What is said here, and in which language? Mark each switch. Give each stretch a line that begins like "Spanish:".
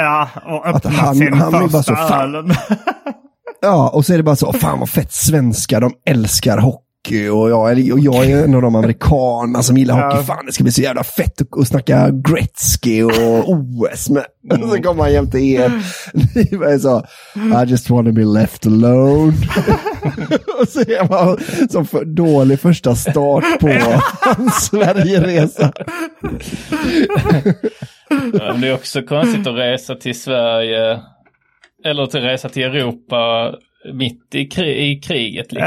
Swedish: Ja, och öppnat han är bara så fan. Ja, och så är det bara så, fan vad fett svenskar, de älskar hockey. Och jag är en av de amerikanerna som gillar hockey. Fan, det ska bli så jävla fett att snacka Gretzky och OS. Men så kommer han jämte er. Ni bara så,
English: "I just want to be left alone."
Swedish: Och så är man som för dålig första start på hans Sverigeresa. Ja, det är också konstigt att resa till Sverige eller till resa till Europa mitt i kriget liksom.